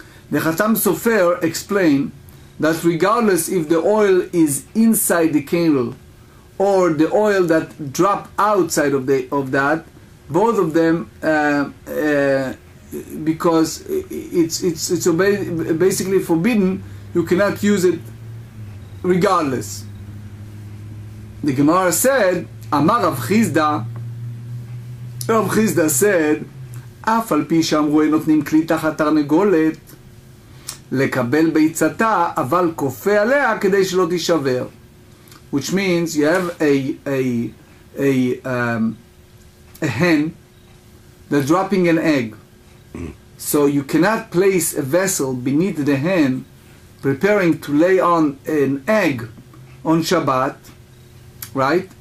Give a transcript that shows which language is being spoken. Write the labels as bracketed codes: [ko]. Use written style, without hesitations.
[en] The Chatam Sofer explained that regardless if the oil is inside the candle or the oil that drop outside of the of that, both of them because it's basically forbidden, you cannot use it regardless. The Gemara said, [he] Amar Rav Chisda said, אף על פי שאמרו נותנים כלי תחת תרנגולת לקבל ביצתה, אבל כופה עליה כדי שלא תישבר. [en] Which means you have a hen that's dropping an egg. So you cannot place a vessel beneath the hen preparing to lay on an egg on Shabbat, right?